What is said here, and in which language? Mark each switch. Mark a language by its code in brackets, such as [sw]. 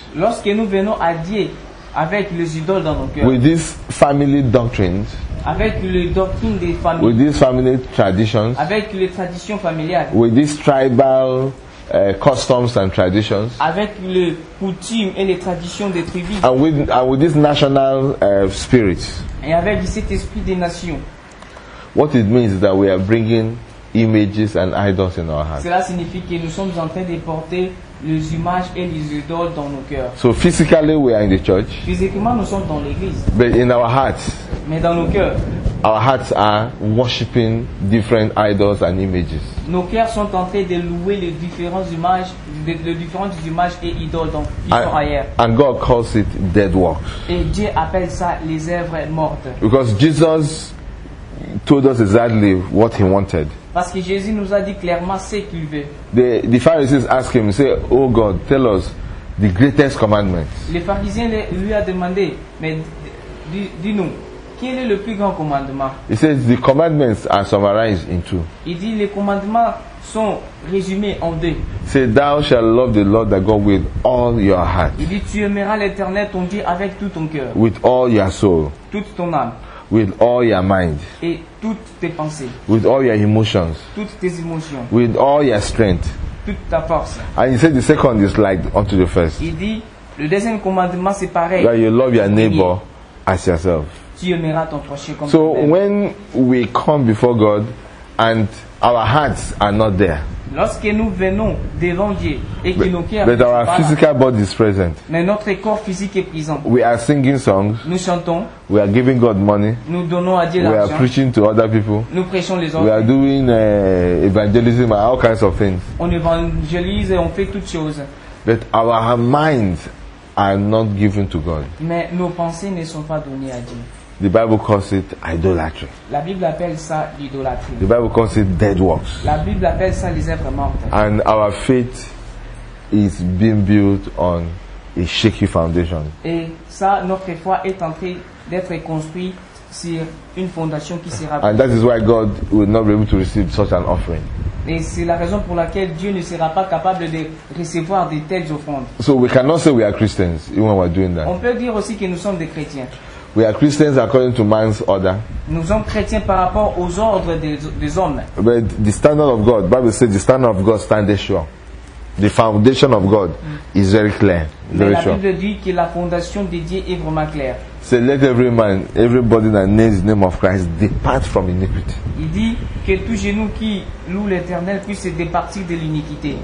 [fr] Lorsque nous venons à Dieu avec les idoles dans nos cœurs. [en] With these family doctrines. [fr] Avec les doctrines des familles. [en] With these family traditions. [fr] Avec les traditions familiales. [en] With these tribal customs and traditions. [fr] Avec les coutumes et les traditions des tribus. [en] And with this national spirit. [fr] Et avec cet esprit des nations. [en] What it means is that we are bringing images and idols in our hearts. [fr] Cela signifie que nous sommes en train de porter les images et les idoles dans nos cœurs. [en] So physically we are in the church. [fr] Physiquement nous sommes dans l'église. [en] But in our hearts. [fr] Mais dans nos cœurs. [en] Our hearts are worshiping different idols and images. [fr] Nos cœurs sont en train de louer les différentes images, les différentes images et idoles dans différents ailleurs. [en] And God calls it dead works. [fr] Et Dieu appelle ça les œuvres mortes. [en] Because Jesus told us exactly what he wanted. [fr] Parce que Jésus nous a dit clairement ce qu'il veut. [en] The Pharisees asked him, say, oh God, tell us the greatest commandment. [fr] Les pharisiens lui a demandé, mais dis-nous, quel est le plus grand commandement? [en] He says the commandments are summarized in two. [fr] Il dit les commandements sont résumés en deux. [en] Say thou shalt love the Lord thy God with all your heart. [fr] Il dit tu aimeras l'Éternel ton Dieu avec tout ton cœur. [en] With all your soul. [fr] Toute ton âme. [en] With all your mind. [fr] Et toutes tes pensées. [en] With all your emotions. [fr] Toutes tes émotions. [en] With all your strength. [fr] Toute ta force. [en] And he said the second is like unto the first. [fr] Il dit Le deuxième commandement, c'est pareil. [en] That you love your neighbor as yourself. [fr] Tu aimeras ton prochain comme so toi-même. [en] When we come before God and our hearts are not there. [fr] Lorsque nous venons devant Dieu et que nos cœurs sont là. [en] But our physical body is present. [fr] Mais notre corps physique est présent. [en] We are singing songs. [fr] Nous chantons. [en] We are giving God money. [fr] Nous donnons à Dieu l'argent. [en] We are preaching to other people. [fr] Nous prêchons les autres. [en] We are doing evangelism and all kinds of things. [fr] On évangélise et on fait toutes choses. [en] But our minds are not given to God. [fr] Mais nos pensées ne sont pas données à Dieu. [en] The Bible calls it idolatry. [fr] La Bible appelle ça l'idolâtrie. [en] The Bible calls it dead works. [fr] La Bible appelle ça les œuvres mortes. [en] And our faith is being built on a shaky foundation. [fr] Et ça, notre foi est en train d'être construite sur une fondation qui sera. [en] And that is why God will not be able to receive such an offering. [fr] Et c'est la raison pour laquelle Dieu ne sera pas capable de recevoir de telles offrandes. [en] So we cannot say we are Christians even when we're doing that. [fr] On peut dire aussi que nous sommes des chrétiens. [en] We are Christians according to man's order. [fr] Nous sommes chrétiens par rapport aux ordres des hommes. [en] But the standard of God, Bible says, the standard of God stands sure. The foundation of God is very clear. Very [fr] la Bible dit que la fondation de Dieu est vraiment claire. [en] So let every man, everybody that names the name of Christ, depart from iniquity. [fr] Il dit que tout genou qui loue l'Éternel puisse se départir de l'iniquité.